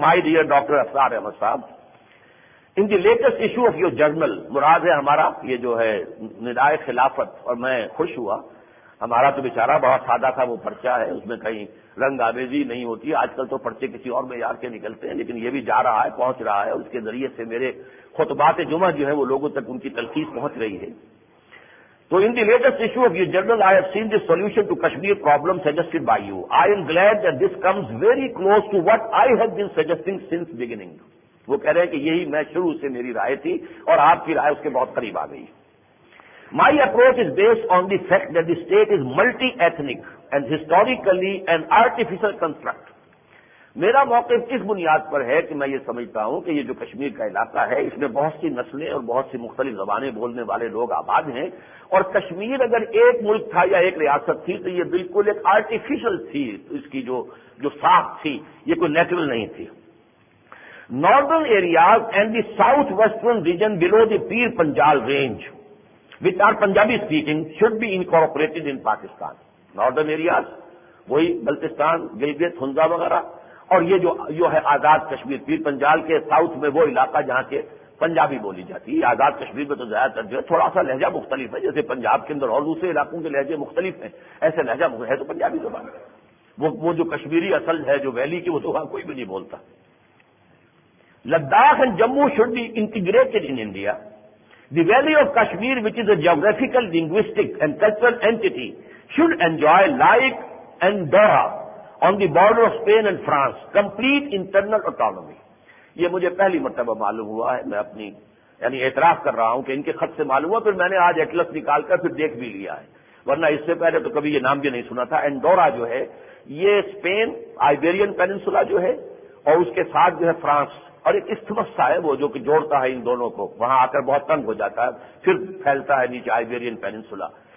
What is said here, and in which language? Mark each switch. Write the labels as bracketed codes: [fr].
[en] my dear doctor Afsar Ahmad صاحب, in the latest issue of your journal, [ur] مراد ہے ہمارا یہ جو ہے ندائے خلافت, اور میں خوش ہوا ہمارا تو بےچارا بہت سادہ تھا وہ پرچہ ہے, اس میں کہیں رنگ آمیزی نہیں ہوتی, آج کل تو پرچے کسی اور معیار کے نکلتے ہیں, لیکن یہ بھی جا رہا ہے پہنچ رہا ہے, اس کے ذریعے سے میرے خطبات جمعہ جو ہے وہ لوگوں تک ان کی تلخیص پہنچ رہی ہے. [en] تو in the latest issue of you journal I have seen the solution to Kashmir problem suggested by you, I am glad that this comes very close to what I have been suggesting since beginning. [ur] وہ کہہ رہے ہیں کہ یہی میں شروع سے میری رائے تھی اور آپ کی رائے اس کے بہت قریب آ گئی. [en] My approach is based on the fact that the state is multi-ethnic and historically an artificial construct. [ur] میرا موقف کس بنیاد پر ہے کہ میں یہ سمجھتا ہوں کہ یہ جو کشمیر کا علاقہ ہے اس میں بہت سی نسلیں اور بہت سی مختلف زبانیں بولنے والے لوگ آباد ہیں, اور کشمیر اگر ایک ملک تھا یا ایک ریاست تھی تو یہ بالکل ایک آرٹیفیشل تھی, اس کی جو ساخت تھی یہ کوئی نیچرل نہیں تھی. [en] Northern areas and the southwestern region below the Peer Panjal range which are Punjabi speaking should be incorporated in Pakistan. [ur] Northern areas, وہی بلتستان گلگت ہنزا وغیرہ, اور یہ جو ہے آزاد کشمیر پیر پنجال کے ساؤتھ میں وہ علاقہ جہاں کے پنجابی بولی جاتی ہے. آزاد کشمیر میں تو زیادہ تر جو ہے تھوڑا سا لہجہ مختلف ہے, جیسے پنجاب کے اندر اور دوسرے علاقوں کے لہجے مختلف ہیں, ایسے لہجہ ہے تو پنجابی زبان ہے. وہ جو کشمیری اصل ہے جو ویلی کی وہ تو وہاں کوئی بھی نہیں بولتا. [en] Ladakh and Jammu should be integrated in India. The Valley of Kashmir, which is a geographical, linguistic and cultural entity, should enjoy like Andorra on the border of Spain and France, complete internal autonomy. [ur] یہ مجھے پہلی مرتبہ معلوم ہوا ہے, میں اپنی یعنی اعتراف کر رہا ہوں کہ ان کے خط سے معلوم ہوا, پھر میں نے آج ایٹلس نکال کر پھر دیکھ بھی لیا ہے, ورنہ اس سے پہلے تو کبھی یہ نام بھی نہیں سنا تھا. اینڈورا جو ہے یہ اسپین آئبیرین پیننسولا جو ہے اور اس کے ساتھ جو ہے فرانس, اور ایک استھمس ہے وہ جو کہ جوڑتا ہے ان دونوں کو, وہاں آ کر بہت تنگ ہو جاتا ہے پھر پھیلتا ہے نیچے آئبیرین پیننسولا.